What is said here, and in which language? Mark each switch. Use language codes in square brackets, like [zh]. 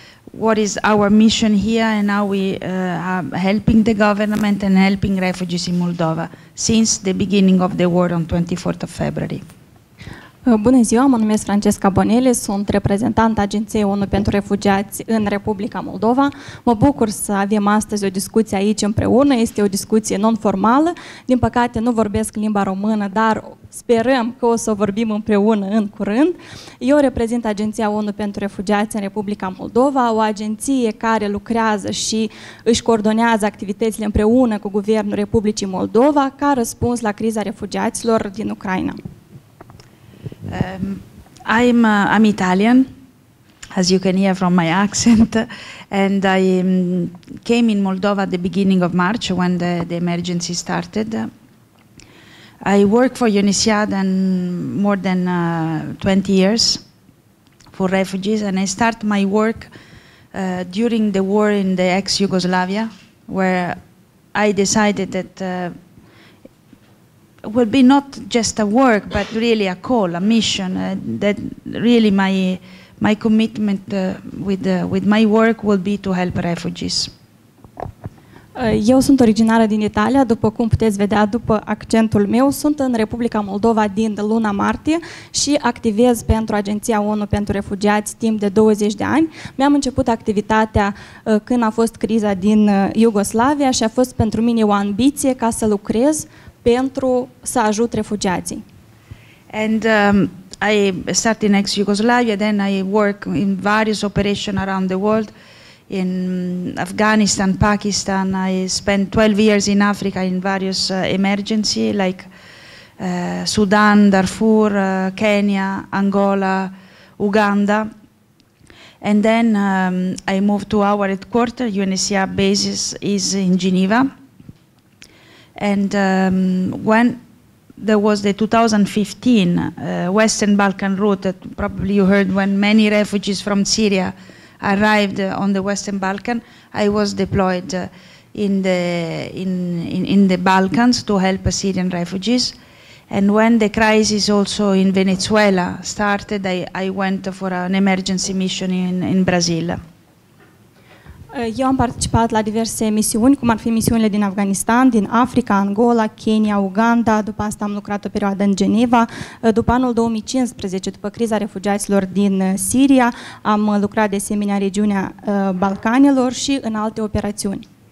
[en] What is our mission here and how we are helping the government and helping refugees in Moldova since the beginning of the war on 24th of February. [ro] Bună ziua, mă numesc Francesca Bonelli, sunt reprezentant Agenției ONU pentru Refugiați în Republica Moldova. Mă bucur să avem astăzi o discuție aici împreună, este o discuție non-formală. Din păcate nu vorbesc limba română, dar sperăm că o să vorbim împreună în curând. Eu reprezint Agenția ONU pentru Refugiați în Republica Moldova, o agenție care lucrează și își coordonează activitățile împreună cu Guvernul Republicii Moldova ca răspuns la criza refugiaților din Ucraina. [en] I'm Italian, as you can hear from my accent, and I came in Moldova at the beginning of March when the emergency started. I work for UNHCR and more than 20 years for refugees, and I start my work during the war in the ex-Yugoslavia, where I decided that will be not just a work, but really a call, a mission, that really my commitment with my work will be to help refugees. [ro] Eu sunt originară din Italia, după cum puteți vedea după accentul meu. Sunt în Republica Moldova din luna martie și activez pentru Agenția ONU pentru Refugiați timp de 20 de ani. Mi-am început activitatea când a fost criza din Iugoslavia și a fost pentru mine o ambiție ca să lucrez pentru să ajut refugiații. [en] And I started in ex-Yugoslavia, then I work in various operations around the world, in Afghanistan, Pakistan. I spent 12 years in Africa in various emergency, like Sudan, Darfur, Kenya, Angola, Uganda. And then I moved to our headquarters. UNHCR basis is in Geneva. And when there was the 2015 Western Balkan route, that probably you heard, when many refugees from Syria arrived on the Western Balkan, I was deployed in the Balkans to help Syrian refugees. And when the crisis also in Venezuela started, I went for an emergency mission in Brazil. [ro] Eu am participat la diverse misiuni, cum ar fi misiunile din Afganistan, din Africa, Angola, Kenya, Uganda, după asta am lucrat o perioadă în Geneva. După anul 2015, după criza refugiaților din Siria, am lucrat de asemenea în regiunea Balcanilor și în alte operațiuni.